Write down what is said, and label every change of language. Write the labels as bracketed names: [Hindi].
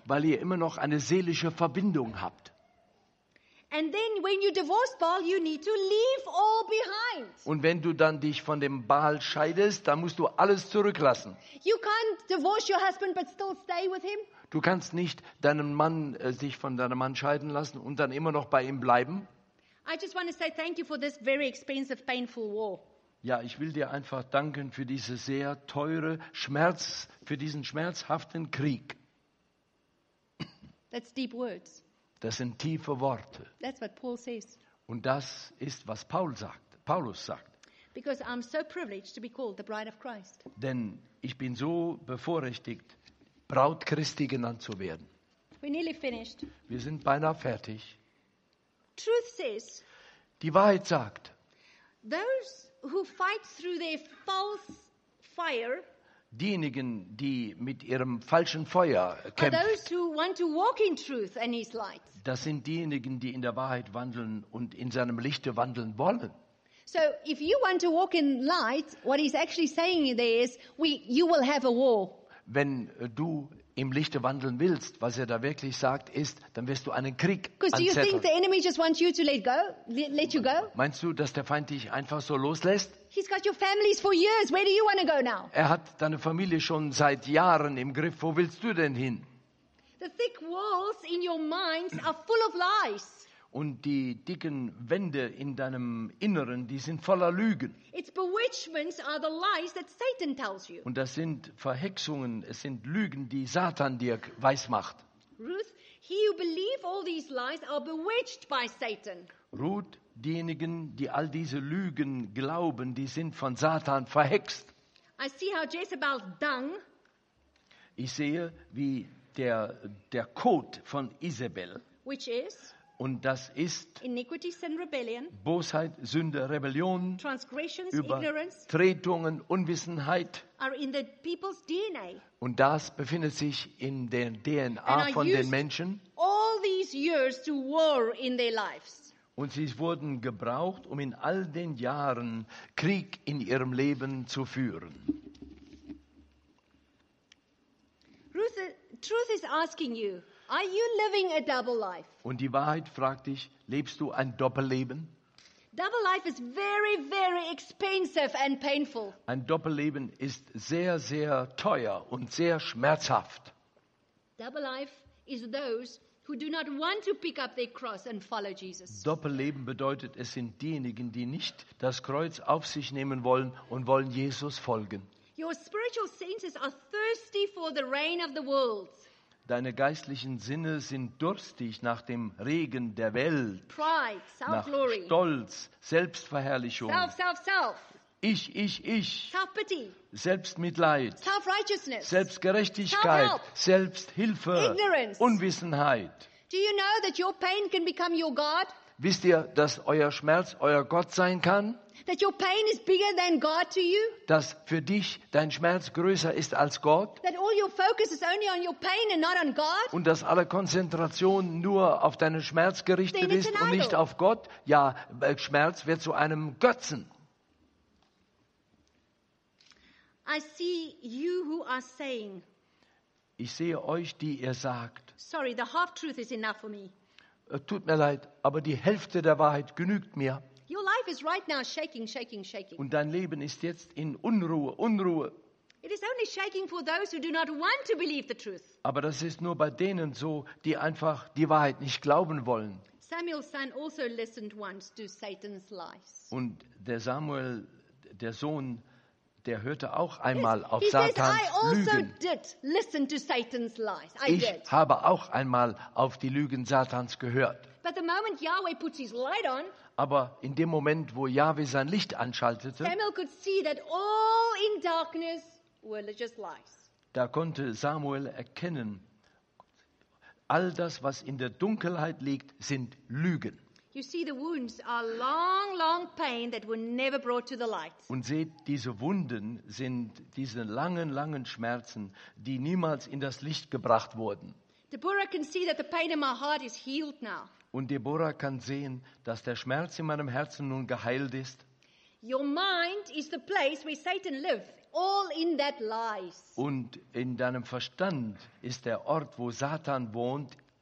[German] Weil ihr immer noch eine seelische Verbindung habt. [English] And then when you divorce Baal, you need to leave all behind. [German] Und wenn du dann dich von dem Baal scheidest, dann musst du alles zurücklassen. [English] You can't divorce your husband but still stay with him. [German] Du kannst nicht deinen Mann sich von deinem Mann scheiden lassen und dann immer noch bei ihm bleiben. [English] I just want to say thank you for this very expensive, painful war. [German] Ja, ich will dir einfach danken für diese sehr teure Schmerz, für diesen schmerzhaften Krieg. [English] That's deep words. [German] Das sind tiefe Worte. [English] That's what Paul says. [German] Und das ist, was Paulus sagt. [English] Because I'm so privileged to be called the bride of Christ. [German] Denn ich bin so bevorrechtigt, Braut Christi genannt zu werden. [English] We're nearly finished. [German] Wir sind beinahe fertig. [English] Truth says, [German] die Wahrheit sagt, [English] those who fight through their false fire, [German] diejenigen, die mit ihrem falschen Feuer kämpfen, [English] are those who want to walk in truth and his light. [German] Das sind diejenigen, die in der Wahrheit wandeln und in seinem Lichte wandeln wollen. [English] So if you want to walk in light, what he's actually saying there is, you will have a war. [German] Wenn du im Lichte wandeln willst, was er da wirklich sagt, ist, dann wirst du einen Krieg anzetteln. Meinst du, dass der Feind dich einfach so loslässt? [English] He's got your families for years. Where do you want to go now? [German] Er hat deine Familie schon seit Jahren im Griff. Wo willst du denn hin? [English] The thick walls in your minds are full of lies. [German] Und die dicken Wände in deinem Inneren, die sind voller Lügen. [English] It's bewitchments are the lies that Satan tells you. [German] Und das sind Verhexungen, es sind Lügen, die Satan dir weismacht. [English] Ruth, he who believe all these lies are bewitched by Satan. [German] Ruth, diejenigen, die all diese Lügen glauben, die sind von Satan verhext. [English] I see how Jezebel's dung. [German] Ich sehe, wie der Kot von Isabel, [English] which is, [German] und das ist [English] Iniquity, Sin, Rebellion, [German] Bosheit, Sünde, Rebellion, [English] Transgressions, [German] Übertretungen, Unwissenheit. [English] Are in the people's DNA. [German] Und das befindet sich in der DNA von den Menschen. [English] All these years to war in their lives. [German] Und sie wurden gebraucht, um in all den Jahren Krieg in ihrem Leben zu führen. [English] Truth is asking you, are you living a double life? [German] Und die Wahrheit fragt dich, lebst du ein Doppelleben? [English] Double life is very, very expensive and painful. [German] Ein Doppelleben ist sehr, sehr teuer und sehr schmerzhaft. [English] Double life is those who do not want to pick up their cross and follow Jesus. [German] Doppelleben bedeutet, es sind diejenigen, die nicht das Kreuz auf sich nehmen wollen und wollen Jesus folgen. [English] Your spiritual senses are thirsty for the rain of the world. [German] Deine geistlichen Sinne sind durstig nach dem Regen der Welt. [English] Pride, self-glory. [German] Stolz, Selbstverherrlichung. [English] Self. [German] Ich. [English] Self-pity. [German] Selbstmitleid. [English] Self-righteousness. [German] Selbstgerechtigkeit. [English] Self-help. [German] Selbsthilfe. [English] Ignorance. [German] Unwissenheit. [English] Do you know that your pain can become your God? [German] Wisst ihr, dass euer Schmerz euer Gott sein kann? [English] That your pain is bigger than God to you? [German] Dass für dich dein Schmerz größer ist als Gott? [English] That all your focus is only on your pain and not on God? [German] Und dass alle Konzentration nur auf deinen Schmerz gerichtet ist und nicht auf Gott? Ja, Schmerz wird zu einem Götzen. [English] I see you who are saying. [German] Ich sehe euch, die ihr sagt. [English] Sorry, the half truth is enough for me. [German] Tut mir leid, aber die Hälfte der Wahrheit genügt mir. [English] Your life is right now shaking. [German] Und dein Leben ist jetzt in Unruhe. [English] It is only shaking for those who do not want to believe the truth. [German] Aber das ist nur bei denen so, die einfach die Wahrheit nicht glauben wollen. [English] Samuel's son also listened once to Satan's lies. [German] Und der Samuel, der Sohn, der hörte auch einmal auf Satans Lügen. [English] Did listen to Satan's lies. [German] Ich habe auch einmal auf die Lügen Satans gehört. [English] But the moment Yahweh puts his light on, [German] aber in dem Moment, wo Yahweh sein Licht anschaltete, [English] Samuel could see that all in darkness were just lies. [German] Da konnte Samuel erkennen, all das, was in der Dunkelheit liegt, sind Lügen. [English] You see, the wounds are long, long pain that were never brought to the light. [German] Und seht, diese Wunden sind diese langen, langen Schmerzen, die niemals in das Licht gebracht wurden. [English] Deborah can see that the pain in my heart is healed now. [German] Und Deborah kann sehen, dass der Schmerz in meinem Herzen nun geheilt ist. [English] Your mind is the place where Satan lives, all in that lies. [German] Und in deinem Verstand ist der Ort, wo Satan wohnt,